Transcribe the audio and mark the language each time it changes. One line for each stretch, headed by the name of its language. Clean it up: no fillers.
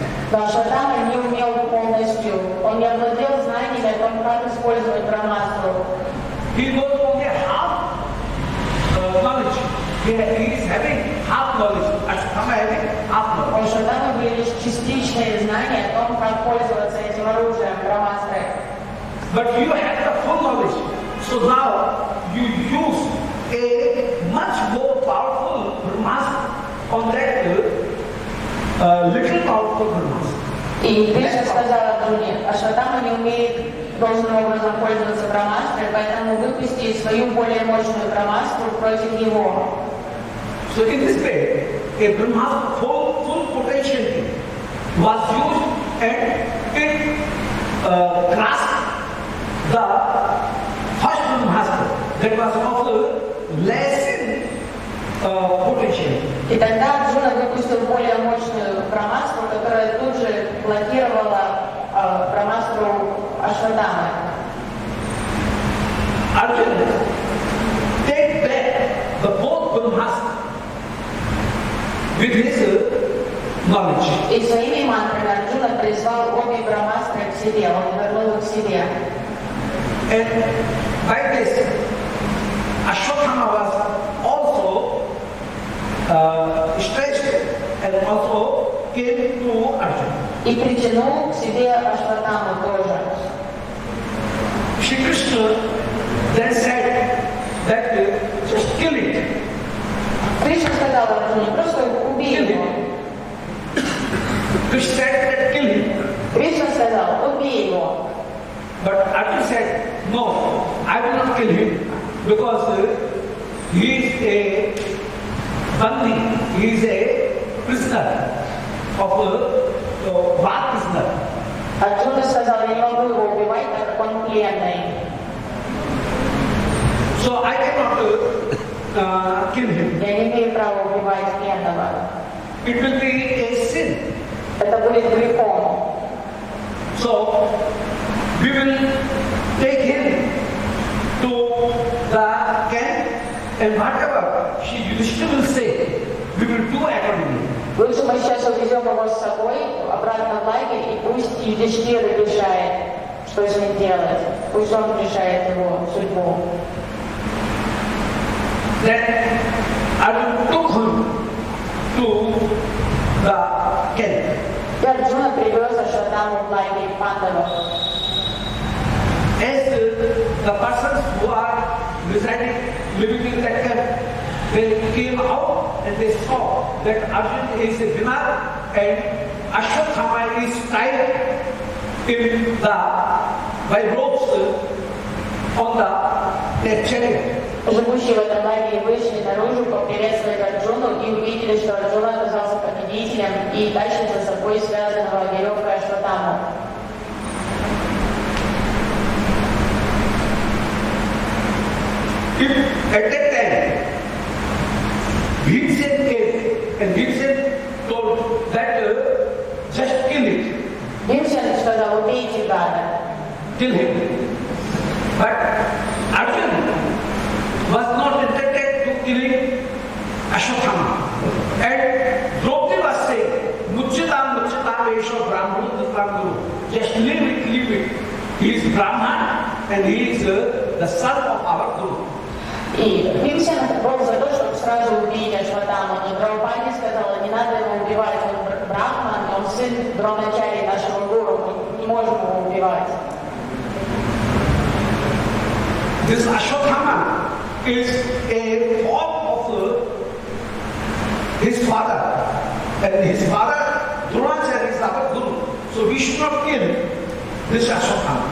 Russian: Бхагаватама не умел полностью. Он не обладал знаниями о том, как использовать брахмастру.
English: He was only half knowledge. He is having half knowledge. Ашхама having half knowledge.
Russian: У Ашхама были лишь частичные знания о том, как пользоваться этим оружием, брахмастрой.
English: But you have the full knowledge. So now you use a much more powerful brahmastra on that little powerful brahmastra.
Russian: И ты же сказал о Друне, Ашхатама не умеет должным образом пользоваться брахмастрой, поэтому выпусти свою более мощную брахмастру против него.
English: So in this way, a brahmastra full potential was used and it grasped the first brahmastra that was of a less potential.
Russian: И тогда Арджуна выпустил более мощную брахмастру, которая тут же блокировала брахмастру Ашхатамы.
English: Арджуна, take back the both brahmastra with his knowledge.
Russian: И своими мантрами Арджуна призвал обе брахмастры к себе, он вернул их к себе.
English: And by this, Ашхатама was also stretched and also came to Arjuna.
Russian: И притянул к себе Ашхатаму тоже.
English: Shri Krishna then said that just kill it.
Russian: Krishna сказал Арджуне, просто убей его.
English: Krishna said that kill him.
Russian: Krishna сказал, убей его.
English: But Arjuna said, no, I will not kill him because he is a Bandi, he is a prisoner of a bad prisoner.
Russian: Arjuna сказал, я не могу его убивать, так как он пленный.
English: So I cannot kill him.
Russian: Я не имею права убивать пленного.
English: It will be a sin.
Russian: Это будет грехом.
English: So we will take him to the camp. And whatever she used to say, we will do accordingly.
Russian: Лучше мы сейчас увезем его с собой обратно в лагерь, и пусть Юдиштир решает, что с ним делать. Пусть он решает его судьбу.
English: Then Arjuna took him to the camp.
Russian: И Арджуна привез Ашхатаму в лагерь Пандавов.
English: As the persons who are residing, living in that camp, they came out and they saw that Arjuna is a bimar and Ashwatthama is tied in the by ropes on the their chariot.
Russian: Живущие в этом лагере вышли наружу поприветствовать Арджуну и увидели, что Арджуна оказался победителем и дальше за собой связанного веревкой Ашватама.
English: If at that time Bhimsen came and Bhimsen told that just kill it. Bhimsen said,
Russian: "Убей тебя."
English: Kill him. But Arjuna was not interested to killing Ashwatthama. And Draupadi was saying, "Muchitam, muchitam, esho Brahmo, dasam guru." Just leave it, leave it. He is Brahman and he is the son of our guru.
Russian: И Бхимсен был за то, чтобы сразу убить Ашватаму, но Драупади сказала, не надо его убивать, он брахман, он сын Дроначари нашего гуру, мы не можем его убивать.
English: This Ашватама is a form of his father, and his father Дроначари is our guru, so we should not kill this Ашватама.